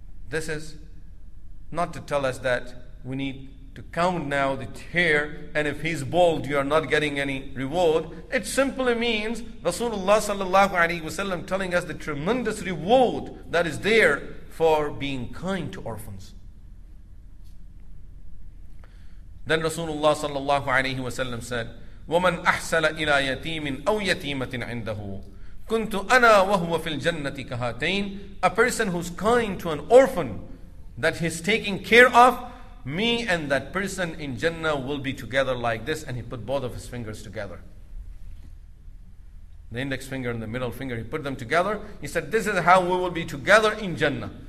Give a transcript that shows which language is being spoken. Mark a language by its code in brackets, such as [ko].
[en] This is not to tell us that we need to count now the hair, and if he's bald, you are not getting any reward. It simply means Rasulullah sallallahu alaihi wasallam telling us the tremendous reward that is there for being kind to orphans. Then Rasulullah sallallahu alayhi wa sallam said, [ar] وَمَنْ أَحْسَلَ إِلَىٰ يَتِيمٍ أَوْ يَتِيمَةٍ عِنْدَهُ كُنْتُ أَنَا وَهُوَ فِي الْجَنَّةِ كَهَاتَيْنِ. [en] A person who's kind to an orphan that he's taking care of, me and that person in Jannah will be together like this. And he put both of his fingers together. The index finger and the middle finger, he put them together. He said, this is how we will be together in Jannah.